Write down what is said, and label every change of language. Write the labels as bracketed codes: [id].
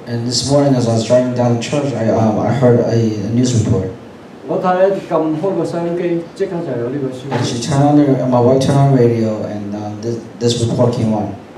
[en] And this morning as I was driving down to church, I heard a news report. [yue] 我太太撳開個收音機，即刻就有呢個消息。 [en] She turned on my wife turned on radio, and this report came on.